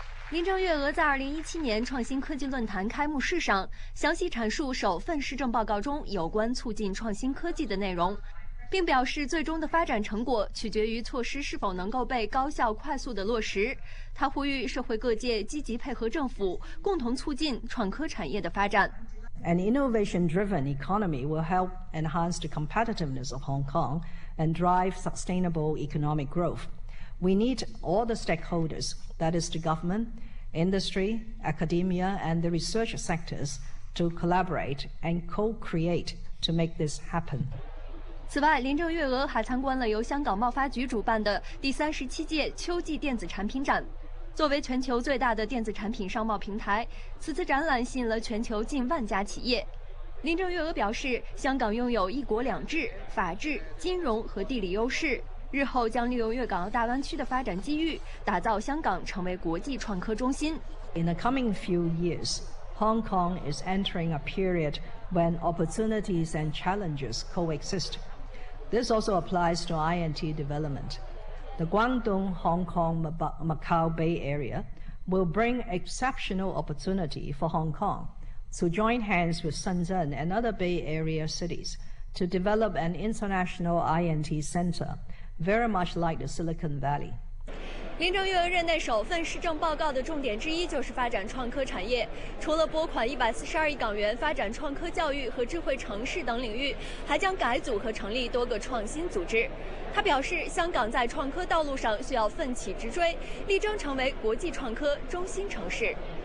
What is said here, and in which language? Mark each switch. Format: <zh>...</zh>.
<zh>林郑月娥在2017年创新科技论坛开幕式上详细阐述首份施政报告中有关促进创新科技的内容，并表示最终的发展成果取决于措施是否能够被高效快速地落实。她呼吁社会各界积极配合政府，共同促进创科产业的发展。</zh> <en>An innovation-driven economy will help enhance the competitiveness of Hong Kong and drive sustainable economic growth. We need all the stakeholders. That is the government, industry, academia, and the research sectors to collaborate and co-create to make this happen.</en> <zh>此外，林郑月娥还参观了由香港贸发局主办的第37届秋季电子产品展。作为全球最大的电子产品商贸平台，此次展览吸引了全球近万家企业。林郑月娥表示，香港拥有一国两制、法治、金融和地理优势。日后将利用粤港澳大湾区的发展机遇，打造香港成为国际创科中心。</zh> <en>In the coming few years, Hong Kong is entering a period when opportunities and challenges coexist. This also applies to INT development. The Guangdong, Hong Kong, Macau Bay area will bring exceptional opportunity for Hong Kong to join hands with Shenzhen and other Bay area cities to develop an international INT center. Very much like the Silicon Valley.</en> <zh>林郑月娥任内首份施政报告的重点之一就是发展创科产业，除了拨款142亿港元发展创科教育和智慧城市等领域，还将改组和成立多个创新组织。他表示，香港在创科道路上需要奋起直追，力争成为国际创科中心城市。</zh>